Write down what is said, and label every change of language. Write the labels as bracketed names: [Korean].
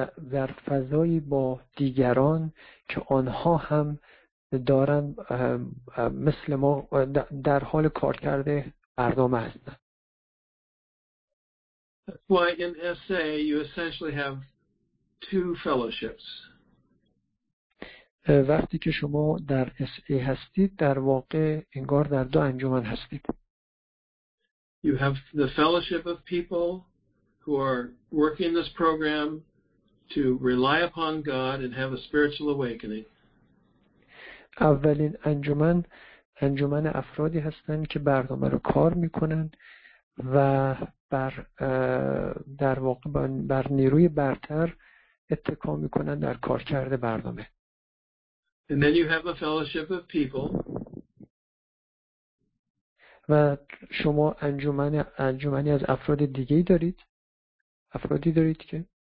[Persian] در فضایی با دیگران که آنها هم دارن مثل ما در حال کار کرده برنامه هستن. [English] That's why in SA you essentially have two fellowships. [Persian] وقتی که شما در SA هستید، در واقع انگار در دو انجمن هستید. [English] You have the fellowship of people who are working this program to rely upon God and have a spiritual awakening. [Persian] اولین انجمن انجمن افرادی هستند که برنامه رو کار میکنن و بر در واقع بر نیروی برتر اتکا میکنن در کار کرده برنامه. [English] And then you have a fellowship of people. [Persian] و شما انجمنی از افراد دیگه دارید، افرادی دارید که